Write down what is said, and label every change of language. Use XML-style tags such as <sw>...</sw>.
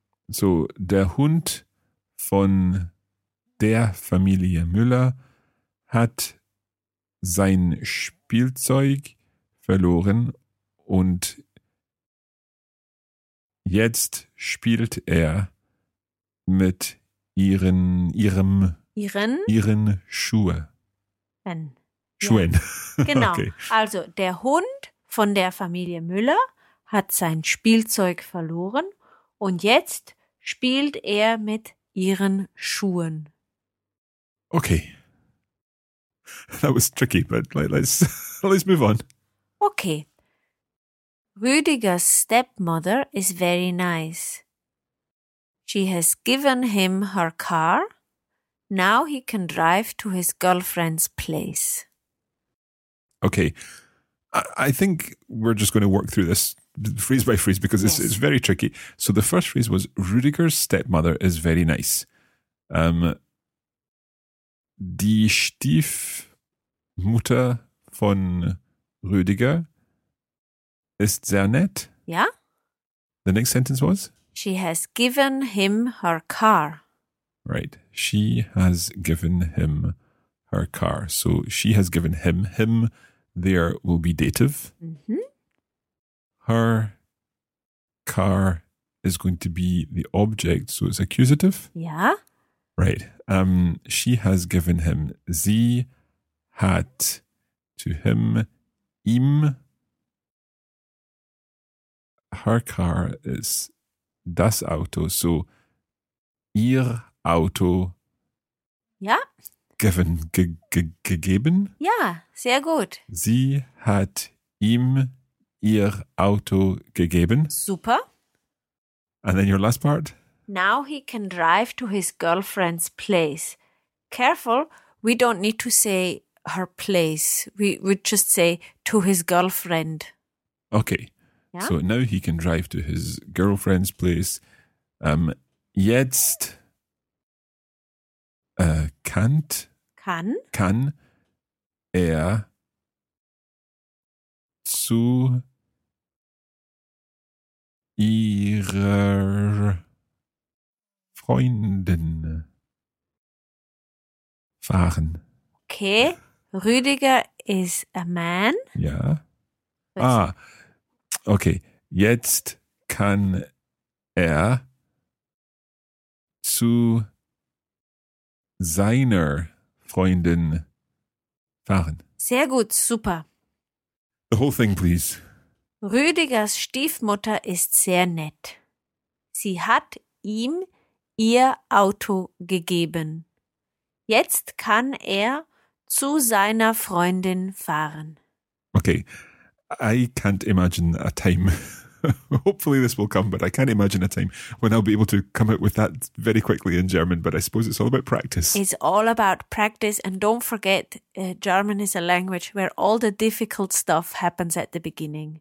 <de>So, der Hund von der Familie Müller hat sein Spielzeug verloren und jetzt spielt er mit ihren Schuhen. Schuhen. Genau. Okay. Also, der Hund von der Familie Müller hat sein Spielzeug verloren und jetzt spielt er mit ihren Schuhen.</de> <en>Okay. That was tricky, but let's move on. Okay. Rüdiger's stepmother is very nice. She has given him her car Now he can drive to his girlfriend's place. Okay, I think we're just going to work through this phrase by phrase because it's very tricky. So the first phrase was Rüdiger's stepmother is very nice.</en> <de>Die Stiefmutter von Rüdiger ist sehr nett.</de> <en>Yeah. The next sentence was? She has given him her car. Right. She has given him her car. So she has given him. Him there will be dative. Mm-hmm. Her car is going to be the object. So it's accusative. Yeah. Right. She has given him.</en> <de>Sie hat</de> <en>to him.</en> <de>Ihm.</de> <en>Her car is</en> <de>das Auto. So ihr Auto. Ja.</de> <en>Given, gegeben.</en> <de>Ja, sehr gut. Sie hat ihm ihr Auto gegeben. Super.</de> <en>And then your last part. Now he can drive to his girlfriend's place. Careful, we don't need to say her place. We would just say to his girlfriend. Okay. Yeah? So now he can drive to his girlfriend's place.</en> <de>Jetzt kann er zu ihrer Freundin fahren.</de> <en>Okay, Rüdiger is a man.</en> <de>Ja. Ah, okay. Jetzt kann er zu seiner Freundin fahren. Sehr gut, super.</de> <en>The whole thing, please. Rüdigers Stiefmutter ist sehr nett. Sie hat ihm ihr Auto gegeben. Jetzt kann er zu seiner Freundin fahren. Okay, I can't imagine a time. Hopefully this will come, but I can't imagine a time when I'll be able to come up with that very quickly in German. But I suppose it's all about practice. It's all about practice. And don't forget, German is a language where all the difficult stuff happens at the beginning.</en>